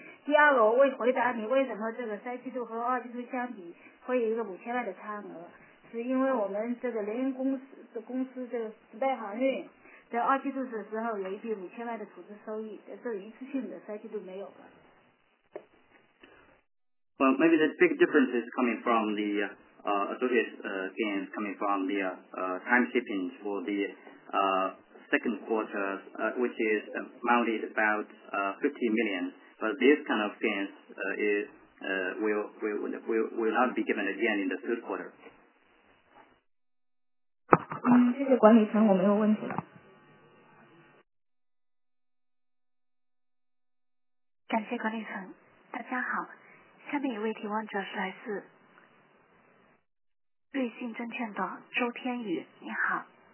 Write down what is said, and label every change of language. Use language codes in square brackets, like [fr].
[zh] 第二个，我为回答你为什么这个三季度和二季度相比会有一个5000万的差额，是因为我们这个联营公司这个时代航运。在二季度的时候有一笔5000万的投资收益，这是一次性的，三季度没有的。 [en] Well, maybe the big difference is coming from the associate gains coming from the time shipping for the second quarter, which is amounted about 50 million. But this kind of gains will not be given again in the third quarter. [zh] 谢谢管理层，我没有问题了。感谢管理层，大家好，下面一位提问者是来自瑞信证券的周天宇，你好。